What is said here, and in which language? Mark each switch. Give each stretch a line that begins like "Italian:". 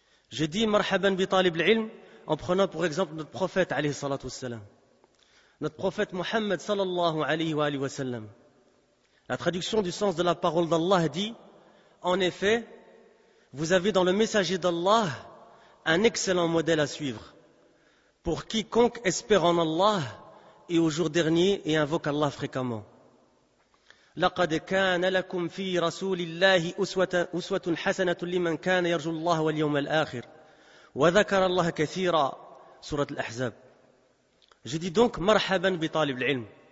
French: Je dis
Arabic: Marhaban bi talib al-ilm
French: en prenant pour exemple notre prophète alayhi salatu wassalam, notre prophète Mohammed sallallahu alayhi wa sallam. La traduction du sens de la parole d'Allah dit: en effet, vous avez dans le messager d'Allah un excellent modèle à suivre pour quiconque espère en Allah et au jour dernier et invoque Allah fréquemment.
Arabic: لقد كان لكم في رسول الله أسوة حسنة لمن كان يرجو الله واليوم الآخر وذكر الله كثيرا.
French: Sourate Al-Ahzab. Je dis donc
Arabic: marhaban bi talib al-ilm.